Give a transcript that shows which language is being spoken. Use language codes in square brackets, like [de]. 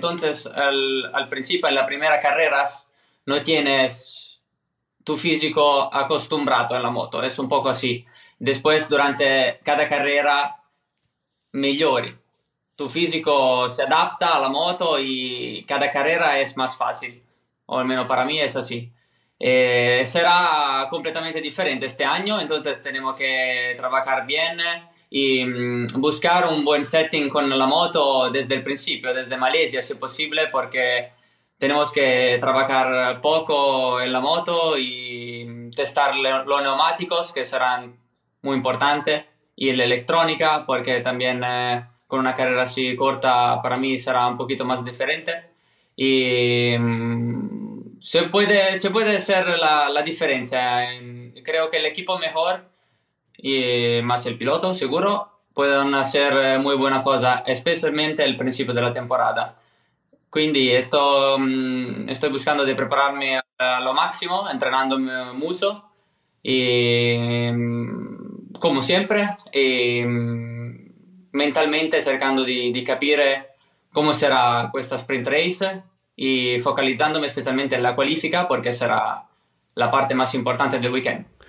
[es] Entonces al principio, en la primera carrera, no tienes tu fisico [it] acostumbrato alla moto, [es] es un poco así. Después, durante cada carrera, [it] migliori. Tu fisico si adapta alla moto e cada carrera è più facile. O almeno per me è così. [es] Sarà completamente diverso este año, entonces tenemos que trabajar bien y buscar un buen setting con la moto desde el principio, desde Malesia, [it] si possibile, perché [es] tenemos que trabajar poco en la moto y testar los neumáticos, que serán muy importante, y la electrónica, porque también con una carrera así corta para mí será un poquito más diferente. Y se puede hacer la diferencia. Creo que el equipo mejor y más el piloto, seguro, pueden hacer muy buena cosa, especialmente al principio de la temporada. [it] Quindi sto buscando di prepararmi allo massimo, entrenandomi molto, e, come sempre, e mentalmente cercando di capire come sarà questa sprint race e focalizzandomi specialmente nella qualifica, perché sarà la parte más importante del weekend.